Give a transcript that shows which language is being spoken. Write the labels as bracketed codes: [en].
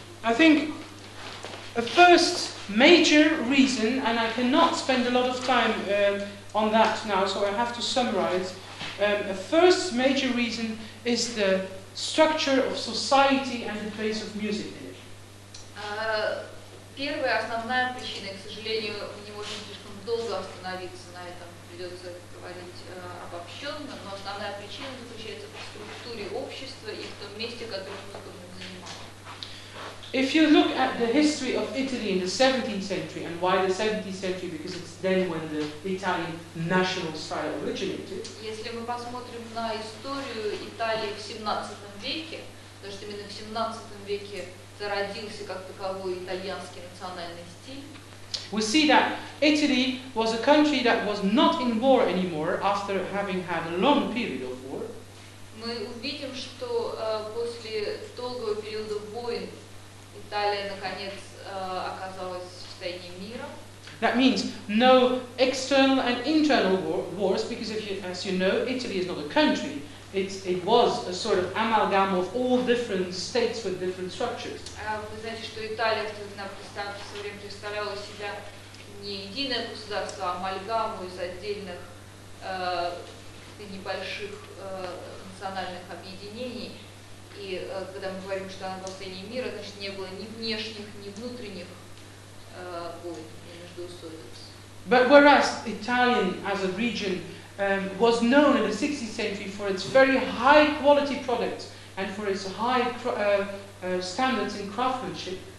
[en] I think the first major reason, and I cannot spend a lot of time on that now, so I have to summarize. The first major reason is the structure of society and the place of music in it. [ru] Первая основная причина, к сожалению, мы не можем слишком долго остановиться на этом, придется говорить обобщенно, но основная причина заключается в структуре общества и в том месте, которое музыка будет занимать. [en] If you look at the history of Italy in the 17th century, and why the 17th century? Because it's then when the Italian national style originated. [ru] Если мы посмотрим на историю Италии в 17 веке, потому что именно в 17 веке зародился как таковой итальянский национальный стиль. [en] We see that Italy was a country that was not in war anymore after having had a long period of war. [ru] Мы увидим, что после долгого периода войн Италия наконец оказалась в состоянии мира. [en] That means no external and internal wars, because if you, as you know, Italy is not a country. It was a sort of amalgam of all different states with different structures. [ru] Вы знаете, что Италия в то время представляла себя не единое государство, а амальгаму из отдельных и небольших национальных объединений. И когда мы говорим, что она была в состоянии мира, значит, не было ни внешних, ни внутренних войн, ни междоусобиц. [en] But whereas Italian as a region was known in the 16th century for its very high quality products and for its high standards in craftsmanship.